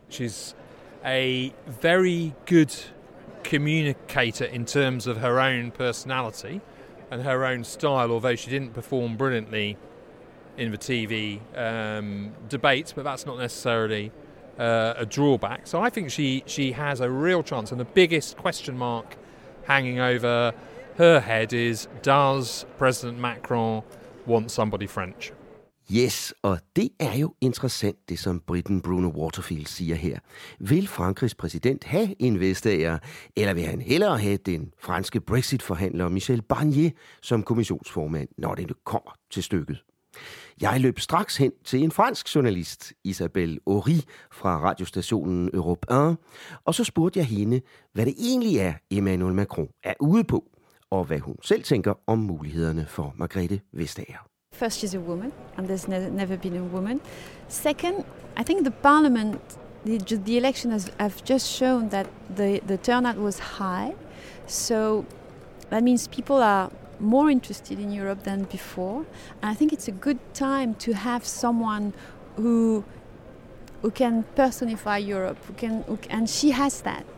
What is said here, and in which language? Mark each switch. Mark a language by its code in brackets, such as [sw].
[en] She's a very good communicator in terms of her own personality and her own style, although she didn't perform brilliantly in the TV debates, but that's not necessarily a drawback. So I think she has a real chance, and the biggest question mark hanging over her head is, does President Macron want somebody French? [da] Yes, og det er jo interessant, det som briten Bruno Waterfield siger her. Vil Frankrigs præsident have en Vestager, eller vil han hellere have den franske Brexit-forhandler Michel Barnier som kommissionsformand, når det kommer til stykket? Jeg løb straks hen til en fransk journalist, Isabelle Horry, fra radiostationen Europe 1, og så spurgte jeg hende, hvad det egentlig er, Emmanuel Macron er ude på, og hvad hun selv tænker om mulighederne for Margrethe Vestager. [en] First, she's a woman, and there's never been a woman. Second, I think the parliament, the election have just shown that the turnout was high. So that means people are more interested in Europe than before. And I think it's a good time to have someone who can personify Europe. And she has that.